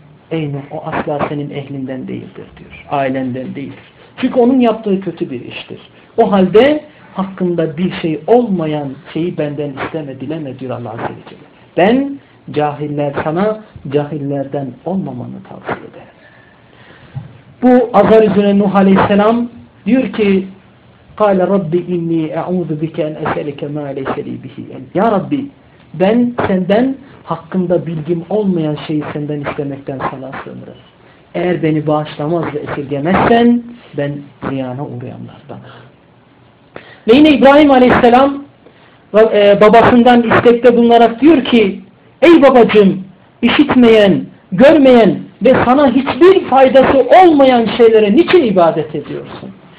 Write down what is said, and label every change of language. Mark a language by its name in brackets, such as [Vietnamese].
[Turkish] Ey Nuh, o asla senin ehlinden değildir diyor. Ailenden değildir. Çünkü onun yaptığı kötü bir iştir. O halde hakkında bir şey olmayan şeyi benden isteme, dileme diyor Allah Azze ve Celle. Ben cahiller sana cahillerden olmamanı tavsiye ederim. Bu azar üzerine Nuh Aleyhisselam diyor ki [Arabic] قَالَ رَبِّ اِنِّي اَعُوذُ بِكَ اَنْ اَسَلِكَ مَا لَيْسَلِي بِهِ. [Turkish] Ya Rabbi ben senden hakkında bilgim olmayan şeyi senden istemekten sana sığınırım. Eğer beni bağışlamaz ve esirgemezsen ben ziyana uğrayanlardan. Ve yine İbrahim Aleyhisselam babasından istekte bulunarak diyor ki ey babacığım işitmeyen, görmeyen ve sana hiçbir faydası olmayan şeylere niçin ibadet ediyorsun?